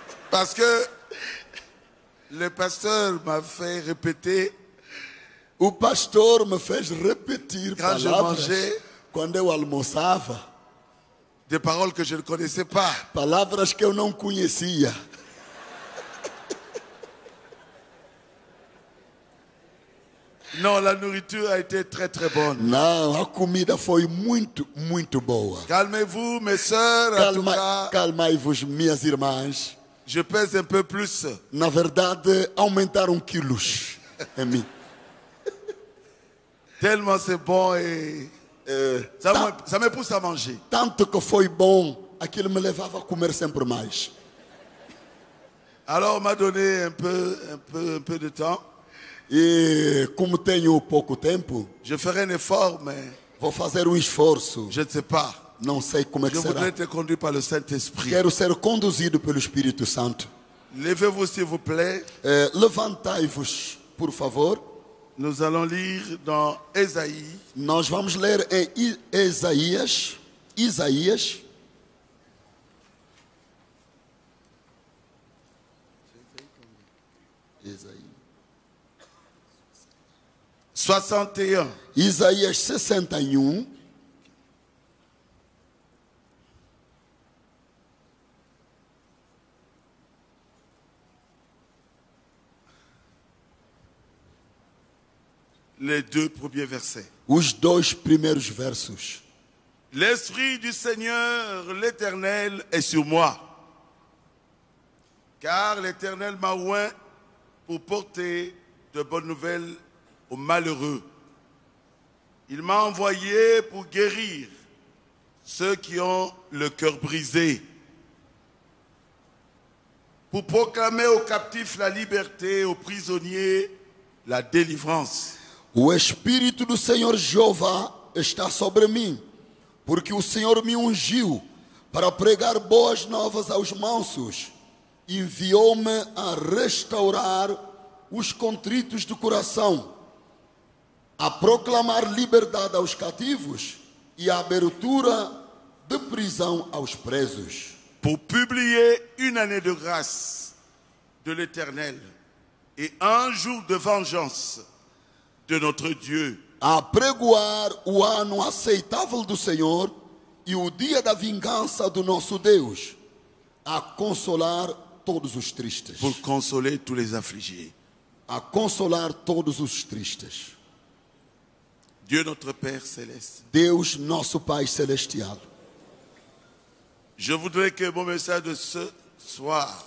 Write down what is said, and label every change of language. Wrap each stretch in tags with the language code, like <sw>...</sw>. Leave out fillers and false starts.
<pt>Porque o pastor me fez repetir. O pastor me fez repetir palavras. Quando eu almoçava. De palavras que eu não conhecia. Palavras que eu não conhecia.</pt> <fr>Non, la nourriture a été très très bonne.</fr> <pt>Não, a comida foi muito, muito boa.</pt> <fr>Calmez-vous, mes soeurs, calma,</fr> <pt>calmai-vos, minhas irmãs.</pt> <fr>Je pèse un peu plus.</fr> <pt>Na verdade, aumentaram quilos em mim.</pt> <fr>Tellement c'est bon et ça me pousse à manger.</fr> <pt>Tanto que foi bom, aquilo me levava a comer sempre mais.</pt> <fr>Alors on m'a donné un peu de temps.</fr> <pt>E como tenho pouco tempo,</pt> <fr>je ferai un effort, mais</fr> <pt>vou fazer um esforço.</pt> <fr>Je ne sais pas.</fr> <pt>Não sei como é que</pt> <fr>será. Je voudrais être conduit par le Saint-Esprit.</fr> <pt>Quero ser conduzido pelo Espírito Santo.</pt> <fr>Levez-vous, s'il vous plaît.</fr> <pt>Levantai-vos, por favor.</pt> <fr>Nous allons lire dans Esaïe.</fr> <pt>Nós vamos ler em Isaías. Isaías. Isaías 61.</pt> <fr>Les deux premiers versets.</fr> <pt>Os dois primeiros versos.</pt> <fr>L'esprit du Seigneur, l'Éternel, est sur moi. Car l'Éternel m'a oint pour porter de bonnes nouvelles aux malheureux. Il m'a envoyé pour guérir ceux qui ont le cœur brisé, pour proclamer aux captifs la liberté, aux prisonniers la délivrance.</fr> <pt>O Espírito do Senhor Jeová está sobre mim, porque o Senhor me ungiu para pregar boas novas aos mansos, enviou-me a restaurar os contritos do coração, a proclamar liberdade aos cativos e a abertura de prisão aos presos.</pt> <fr>Pour publier une année de grâce de l'Éternel et un jour de vengeance de notre Dieu.</fr> <pt>A pregoar o ano aceitável do Senhor e o dia da vingança do nosso Deus, a consolar todos os tristes.</pt> <fr>Pour consoler tous les affligés.</fr> <pt>A consolar todos os tristes.</pt> <fr>Dieu notre Père céleste.</fr> <pt>Deus nosso Pai celestial.</pt> <fr>Je voudrais que mon message de ce soir.</fr>